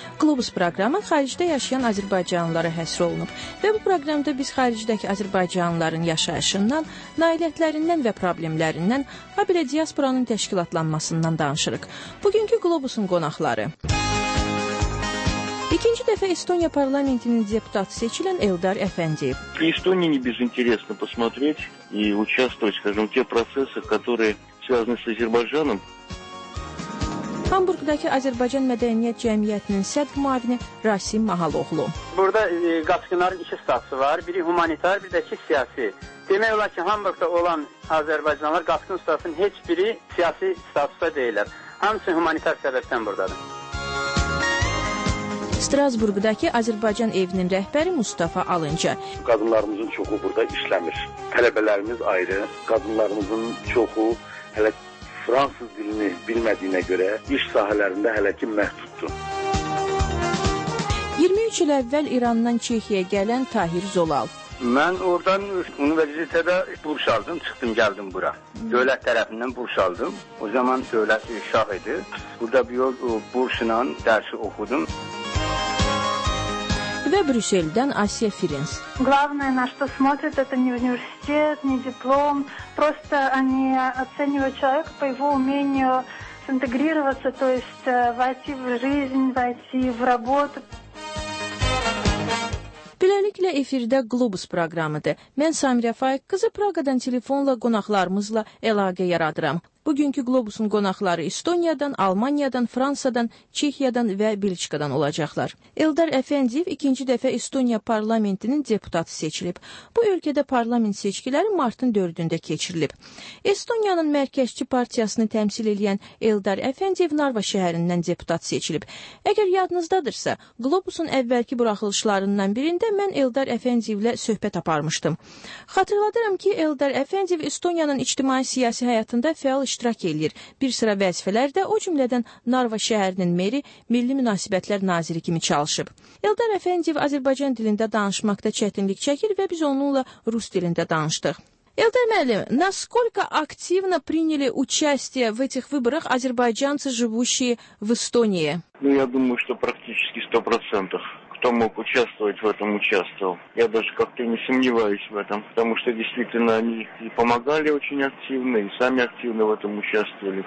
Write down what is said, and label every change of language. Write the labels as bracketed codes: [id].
[az] Globus proqramı xaricdə yaşayan azərbaycanlılara həsr olunub və bu proqramda biz xaricdəki azərbaycanlıların yaşayışından, nailiyyətlərindən və problemlərindən, habelə diasporanın təşkilatlanmasından danışırıq. Bugünkü Globusun qonaqları. İkinci dəfə Estoniya parlamentinin deputatı seçilən Eldar Əfəndiyev. [ru] Estoniya [az] nə biz [ru] interesno посмотреть и участвовать, скажем, те процессы, которые связаны с Азербайджаном. [az] Hamburqdakı Azərbaycan Mədəniyyət Cəmiyyətinin sədr müavini Rasim Mahaloğlu. Burada qaçqınların iki statusu var. Biri humanitar, bir də ki siyasi. Demək olar ki, Hamburqda olan azərbaycanlılar qaçqın statusunun heç biri siyasi statusda deyillər. Hamısı humanitar səbəbdən buradadır. Strasburqdakı Azərbaycan evinin rəhbəri Mustafa Alınca. Qadınlarımızın çoxu burada işləmir. Tələbələrimiz ayrı, qadınlarımızın çoxu hələ fransız dilini bilmədiyinə görə iş sahələrində hələ ki məhduddur. 23 il əvvəl İrandan Çexiyə gələn Tahir Zolal. Mən oradan universitetdə burs aldım, çıxdım, gəldim bura. Dövlət tərəfindən burs aldım. O zaman dövlət şah idi. Burada bir yol bursla dərsi oxudum. Və Brüsseldən Asiya Firins. [ru] Главное, на что смотрят, это не университет, не диплом. Просто они оценивают человека по его умению синтегрироваться, то есть войти в жизнь, войти в работу. [az] Beləliklə efirdə Globus proqramıdır. Mən Samirə Faiq qızı Praqadan telefonla qonaqlarımızla əlaqə yaradıram. Bugünkü Globusun qonaqları Estoniyadan, Almaniyadan, Fransadan, Çexiyadan və Belçikadan olacaqlar. Eldar Əfəndiyev ikinci dəfə Estoniya parlamentinin deputatı seçilib. Bu ölkədə parlament seçkiləri martın 4-də keçirilib. Estoniyanın mərkəzçi partiyasını təmsil edən Eldar Əfəndiyev Narva şəhərindən deputat seçilib. Əgər yadınızdadırsa, Globusun əvvəlki buraxılışlarından birində mən Eldar Əfəndiyevlə söhbət aparmışdım. Xatırladıram ki, Eldar Əfəndiyev Estoniyanın ictimai-siyasi həyatında iştirak edir. Bir sıra vəzifələr də o cümlədən Narva şəhərinin meri, Milli Münasibətlər Naziri kimi çalışıb. Eldar Əfəndiyev Azərbaycan dilində danışmaqda çətinlik çəkir və biz onunla rus dilində danışdıq. [ru] Eldar müəllim, насколько активно приняли участие в этих выборах азербайджанцы, живущие в Эстонии? Ну, я думаю, что практически 100%. Кто мог участвовать в этом, участвовал. Я даже как-то не сомневаюсь в этом, потому что действительно они и помогали очень активно, и сами активно в этом участвовали.